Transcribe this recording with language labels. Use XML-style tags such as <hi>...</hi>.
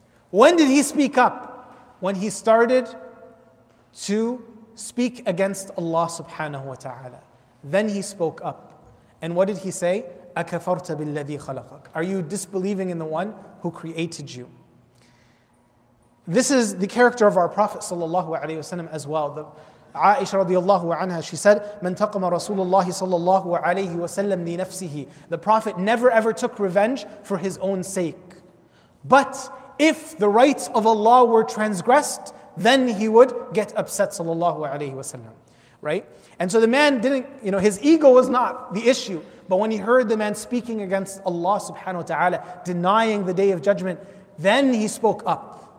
<en>When did he speak up? When he started to speak against Allah subhanahu wa ta'ala. Then he spoke up. And what did he say?</en> <ar>أَكَفَرْتَ بِالَّذِي خَلَقَكَ.</ar> <en>Are you disbelieving in the one who created you? This is the character of our Prophet sallallahu alayhi wa sallam as well. Aisha radiallahu anha, she said,</en> <ar>مَنْ تَقَمَ رَسُولُ اللَّهِ صَلَّى اللَّهُ عَلَيْهِ وَسَلَّمْ لِنَفْسِهِ.</ar> <en>The Prophet never ever took revenge for his own sake. But if the rights of Allah were transgressed, then he would get upset sallallahu alayhi wa sallam. Right? And so the man didn't, you know, his ego was not the issue. But when he heard the man speaking against Allah subhanahu wa ta'ala, denying the day of judgment, then he spoke up.</en>